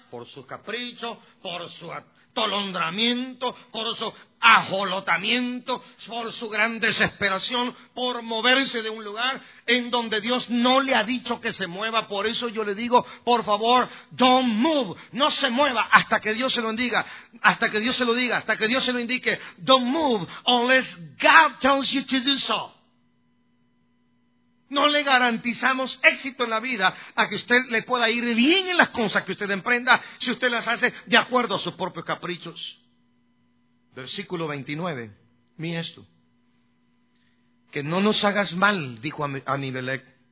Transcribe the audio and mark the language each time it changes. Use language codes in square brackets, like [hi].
[es] Por su capricho, por su atolondramiento, por su ajolotamiento, por su gran desesperación, por moverse de un lugar en donde Dios no le ha dicho que se mueva. Por eso yo le digo, por favor, [en] don't move, [es] no se mueva hasta que Dios se lo diga, hasta que Dios se lo diga, hasta que Dios se lo indique. [en] Don't move unless God tells you to do so. [es] No le garantizamos éxito en la vida a que usted le pueda ir bien en las cosas que usted emprenda si usted las hace de acuerdo a sus propios caprichos. Versículo 29. Mira esto. Que no nos hagas mal, dijo Abimelech.